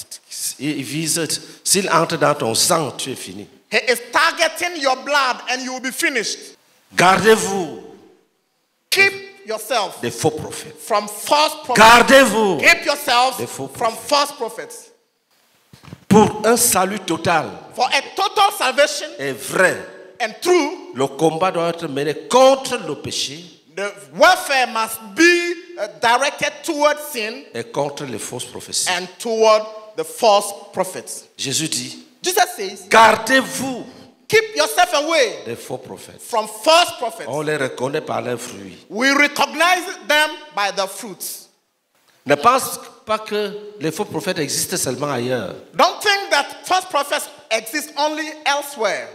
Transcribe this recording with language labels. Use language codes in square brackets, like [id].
[fr] S'il entre dans ton sang, tu es fini. [en] He is targeting your blood and you will be finished. [fr] Gardez-vous. [en] Keep yourself. [fr] Des faux prophètes. [en] From false prophets. [fr] Gardez-vous. [en] Keep yourself. [fr] Des faux prophètes. [en] From false prophets. [fr] Pour un salut total. [en] For a total salvation. [fr] Et vrai. [en] And true. [fr] Le combat doit être mené contre le péché. [en] The warfare must be directed towards sin. [fr] Et contre les fausses prophéties. [en] And toward the false prophets. [fr] Jésus dit. [en] Jesus says. [fr] Gardez-vous. [en] Keep yourself away. [fr] Des faux prophètes. [en] From false prophets. [fr] On les reconnaît par leurs fruits. [en] We recognize them by their fruits. [fr] Ne pense pas que les faux prophètes existent seulement ailleurs. [en] Don't think that false prophets exist only elsewhere.